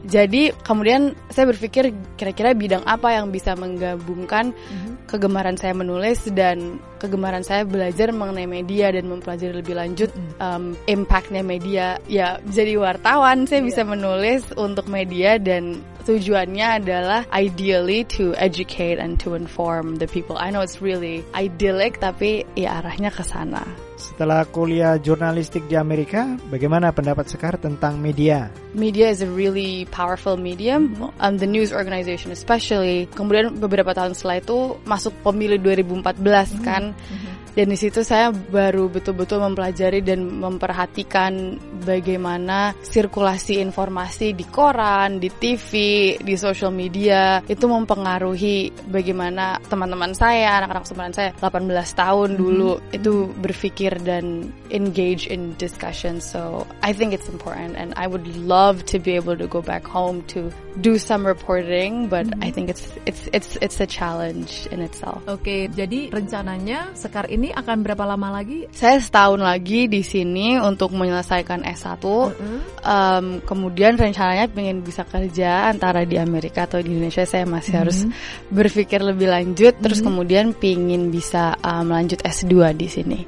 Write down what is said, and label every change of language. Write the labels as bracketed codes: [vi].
[id] Jadi kemudian saya berpikir kira-kira bidang apa yang bisa menggabungkan kegemaran saya menulis dan kegemaran saya belajar mengenai media dan mempelajari lebih lanjut impact-nya media. Ya, jadi wartawan saya bisa menulis untuk media dan tujuannya adalah [en] ideally to educate and to inform the people. I know it's really idyllic, [id] tapi ya arahnya ke sana. Setelah kuliah jurnalistik di Amerika, bagaimana pendapat Sekar tentang media? [en] Media is a really powerful medium, the news organization especially. [id] Kemudian beberapa tahun setelah itu masuk pemilu 2014 kan. Dan di situ saya baru betul-betul mempelajari dan memperhatikan bagaimana sirkulasi informasi di koran, di TV, di social media itu mempengaruhi bagaimana teman-teman saya, anak-anak sebelah saya 18 tahun dulu itu berpikir dan [en] engage in discussion. So I think it's important and I would love to be able to go back home to do some reporting, but I think it's a challenge in itself. [id] Okay, jadi rencananya Sekar ini akan berapa lama lagi? Saya setahun lagi di sini untuk menyelesaikan S1. Kemudian rencananya ingin bisa kerja antara di Amerika atau di Indonesia. Saya masih harus berpikir lebih lanjut. Terus kemudian ingin bisa melanjut S2 di sini.